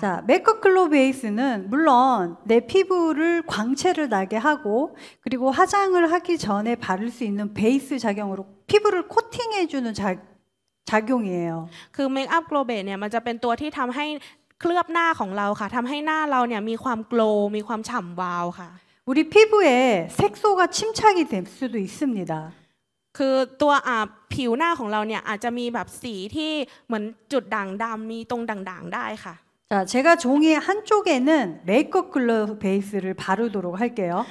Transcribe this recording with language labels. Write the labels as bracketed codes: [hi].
[ko] 자, 메이크업 글로 베이스는 물론 내 피부를 광채를 나게 하고 그리고 화장을 하기 전에 바를 수 있는 베이스 작용으로 피부를 코팅해주는 작용이에요. 그 메이크업 글로베이스 [th] เนี่ยมันจะเป็นตัวที่ทำให้เคลือบหน้าของเราค่ะทำให้หน้าเราเนี่ยมีความโกลมีความฉ่ำวาวค่ะ [ko] 우리 피부에 색소가 침착이 될 수도 있습니다. [th] 그ตัวผิวหน้าของเราเนี่ยอาจจะมีแบบสีที่เหมือนจุดด่างดำมีตรงด่างๆได้ค่ะ [ko] 자, 제가 종이 한쪽에는 메이크업 글로 베이스를 바르도록 할게요.